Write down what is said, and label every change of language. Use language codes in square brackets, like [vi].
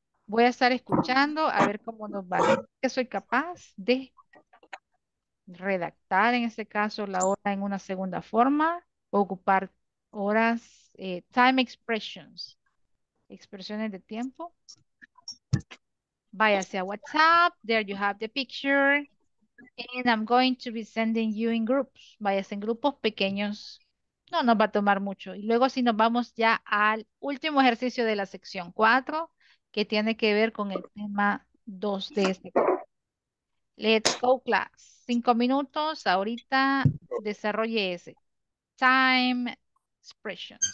[es] voy a estar escuchando a ver cómo nos va. Que soy capaz de redactar en este caso la hora en una segunda forma, ocupar horas, [en] time expressions, [es] expresiones de tiempo. Vaya a WhatsApp, [en] there you have the picture, and I'm going to be sending you in groups. [es] Vayas en grupos pequeños, no nos va a tomar mucho. Y luego si nos vamos ya al último ejercicio de la sección 4, que tiene que ver con el tema 2 de este. [en] Let's go class, [es] 5 minutos, ahorita desarrolle ese [en] time expression.